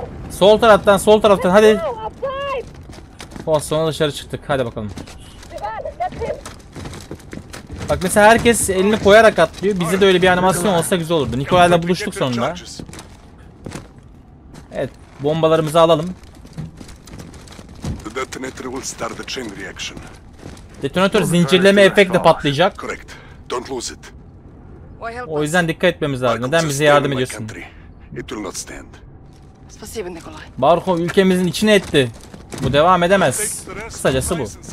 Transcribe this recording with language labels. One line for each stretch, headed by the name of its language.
Turkish: Sol taraftan, sol taraftan, hadi. Oh, sonra dışarı çıktık, hadi bakalım. Bak mesela herkes elini koyarak atlıyor. Bizde de öyle bir animasyon olsa güzel olurdu. Nikola'yla buluştuk sonunda. Evet, bombalarımızı alalım.
English: The detonator will start the chain reaction.
Turkish: Detonatör zincirleme efekti patlayacak.
English: Correct. can't lose it. Why help us?
Turkish: O yüzden dikkat etmemiz lazım. Neden bize yardım ediyorsun?
English: It will not stand.
Russian: Спасибо, Николай.
Turkish: Barkov ülkemizin içine etti. Bu devam edemez. Kısacası bu.